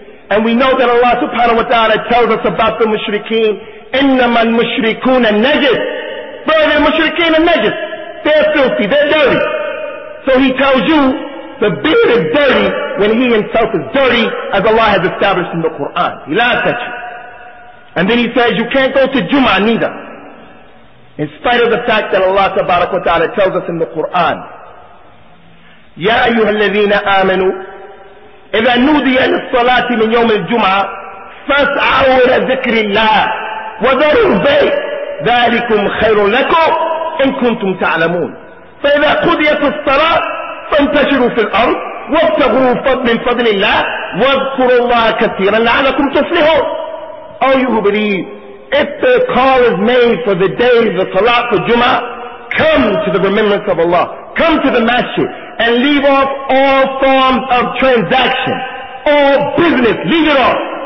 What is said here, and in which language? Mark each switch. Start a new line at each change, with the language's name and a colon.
English: And we know that Allah subhanahu wa ta'ala tells us about the mushrikeen,
Arabic: إِنَّمَا الْمُشْرِكُونَ النَّجِسِ.
English: Bro, they're mushrikeen and najis. They're filthy, they're dirty. So he tells you, the beard is dirty when he himself is dirty, as Allah has established in the Quran. He laughs at you. And then he says, you can't go to Jum'ah neither. In spite of the fact that Allah subhanahu wa ta'ala tells us in the Quran,
Arabic: يَا أَيُّهَا الَّذِينَ آمَنُوا إِذَا نُودِيَ لِلصَّلَاةِ مِنْ يَوْمِ الْجُمْعَةِ فَاسْعَوْا إِلَى ذِكْرِ اللَّهِ وَذَرُوا الْبَيْعَ ذَلِكُمْ خَيْرٌ لَكُمْ إِن كُنْتُمْ تَعْلَمُونَ فَإِذَا قُضِيَتِ الصَّلَاةُ فَانْتَشِرُوا فِي الْأَرْضِ وَابْتَغُوا مِنْ فَضْلِ اللَّهِ وَاذْكُرُوا اللَّهَ كَثِيرًا لَعَلَّكُمْ تُفْلِحُونَ.
English: O you who believe, if the call is made for the day of the Salah for Jum'ah, come to the remembrance of Allah, come to the masjid, and leave off all forms of transaction, all business, leave it off.